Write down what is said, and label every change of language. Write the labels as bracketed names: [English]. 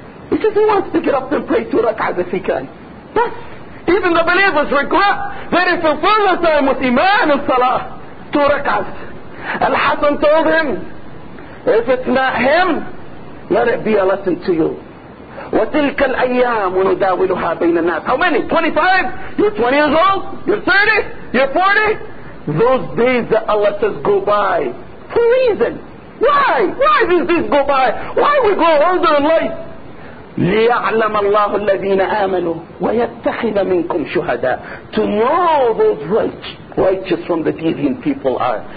[English] He says he wants to get up and pray two rak'ahs if he can. Thus, even the believers regret that he fulfilled his time with Iman and Salah, two rak'ahs. Al-Hasan told him, if it's not him, let it be a lesson to you. [Arabic] وَتِلْكَ الْأَيَّامُ نُدَاوِلُهَا بَيْنَ النَّاسِ [English] How many? 25? You're 20 years old? You're 30? You're 40? Those days that Allah says go by. For reason. Why? Why these days go by? Why we grow older in life? [Arabic] لِيَعْلَمَ اللَّهُ الَّذِينَ آمَنُوا وَيَتَّخِذَ مِنْكُمْ شُهَدًا [English] To know those righteous from the deviant people are.